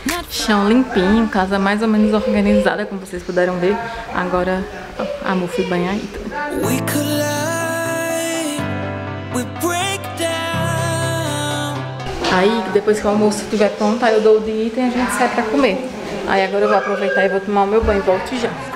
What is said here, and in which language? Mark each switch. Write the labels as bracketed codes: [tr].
[pt] Chão limpinho, casa mais ou menos organizada, como vocês puderam ver. Agora a Mu foi banhar aí. [en] We collide, we break down. [pt] Aí, depois que o almoço estiver pronto, aí eu dou o de item e a gente sai pra comer. Aí agora eu vou aproveitar e vou tomar o meu banho e volto já.